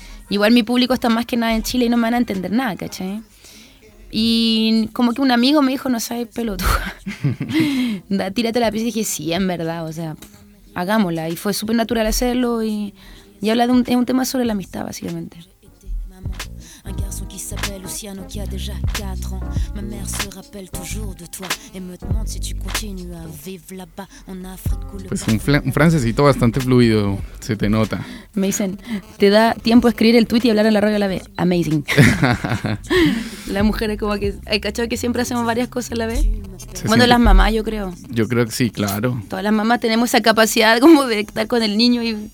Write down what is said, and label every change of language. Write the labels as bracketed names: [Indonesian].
[Spanish] Igual mi público está más que nada en Chile y no me van a entender nada, ¿cachai? Y como que un amigo me dijo, no sabes, pelotuda, tírate la pieza. Y dije, sí, en verdad, o sea, hagámosla. Y fue súper natural hacerlo. Y habla de un tema sobre la amistad, básicamente. [French] Un garçon qui s'appelle Luciano qui a déjà 4 ans. Ma mère se rappelle toujours de toi et me demande si tu continues à vivre là-bas en Afrique. [Spanish] Pues un francesito bastante fluido, se te nota. Me dicen, te da tiempo a escribir el tweet y hablar a la radio a la vez. Amazing. La mujer es como que, hay cachado que siempre hacemos varias cosas a la vez. Las mamás, yo creo. Yo creo que sí, claro. Todas las mamás tenemos esa capacidad como de estar con el niño y